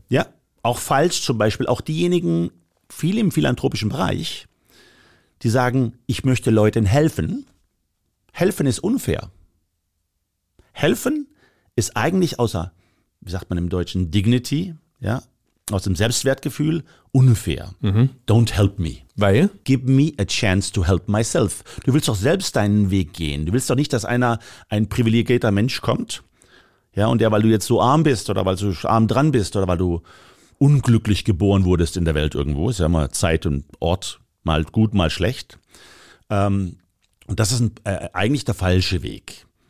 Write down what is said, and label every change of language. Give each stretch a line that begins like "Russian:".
German: Ja, auch falsch zum Beispiel auch diejenigen, viele im philanthropischen Bereich, die sagen, ich möchte Leuten helfen. Helfen ist unfair. Helfen ist eigentlich außer, wie sagt man im Deutschen, Dignity, ja, aus dem Selbstwertgefühl, unfair.
English: Mhm. Don't help me.
German: Weil?
English: Give me a chance to help myself.
German: Du willst doch selbst deinen Weg gehen. Du willst doch nicht, dass einer, ein privilegierter Mensch kommt, ja, und der, weil du jetzt so arm bist oder weil du arm dran bist oder weil du unglücklich geboren wurdest in der Welt irgendwo, ist ja immer Zeit und Ort, mal gut, mal schlecht. Und das ist eigentlich der falsche Weg.